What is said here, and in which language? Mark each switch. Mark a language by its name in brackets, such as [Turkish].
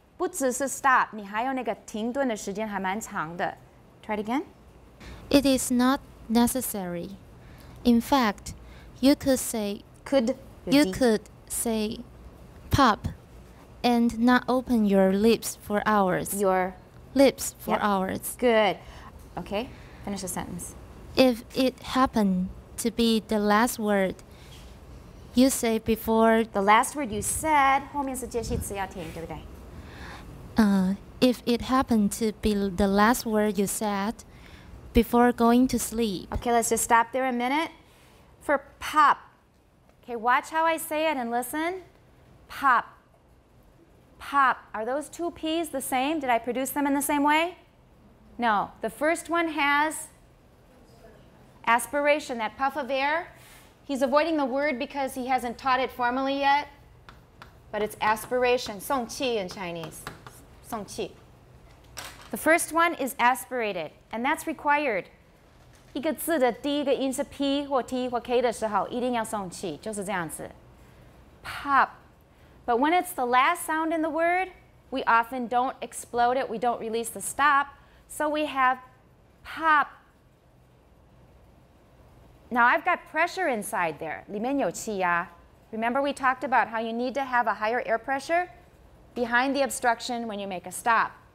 [Chinese] 不只是 stop, 你还有那个停顿的时间还蛮长的. [English] Try it again. It is not necessary. In fact, you could say pop and not open your lips for hours. Your lips for hours. Good. Okay, finish the sentence. If it happened to be the last word you say before the last word you said, [Chinese] 后面是接续词要停，对不对? [English] If it happened to be the last word you said before going to sleep. Okay, let's just stop there a minute. For pop, okay, watch how I say it and listen. Pop, pop, are those two P's the same? Did I produce them in the same way? No, the first one has aspiration, that puff of air. He's avoiding the word because he hasn't taught it formally yet, but it's aspiration, 送气 in Chinese, 送气. The first one is aspirated, and that's required. [Chinese] 一个字的第一个音是P或T或K的时候,一定要送气,就是这样子. [English] Pop. But when it's the last sound in the word, we often don't explode it, we don't release the stop, so we have pop. Now I've got pressure inside there, [Chinese] 里面有气压. [English] Remember we talked about how you need to have a higher air pressure behind the obstruction when you make a stop.